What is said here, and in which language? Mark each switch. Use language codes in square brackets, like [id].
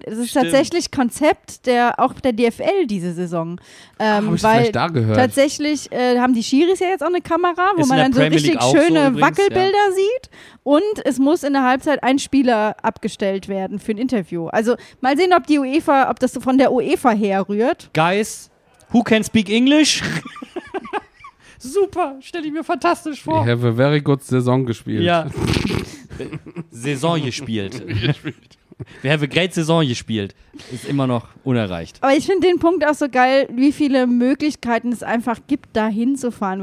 [de] Es ist tatsächlich Konzept der DFL diese Saison. Tatsächlich haben die Schiris ja jetzt auch eine Kamera, wo man dann so richtig schöne Wackelbilder sieht. Und es muss in der Halbzeit ein Spieler abgestellt werden für ein Interview. Also mal sehen, ob die UEFA, ob das so von der UEFA herrührt. [en] Guys, who can speak English? [de] Super, stelle ich mir fantastisch vor. [en] We have a very good Saison [de] gespielt. Ja. Saison gespielt. [en] We have a great Saison [de] gespielt. Ist immer noch unerreicht. Aber ich finde den Punkt auch so geil, wie viele Möglichkeiten es einfach gibt, da hinzufahren.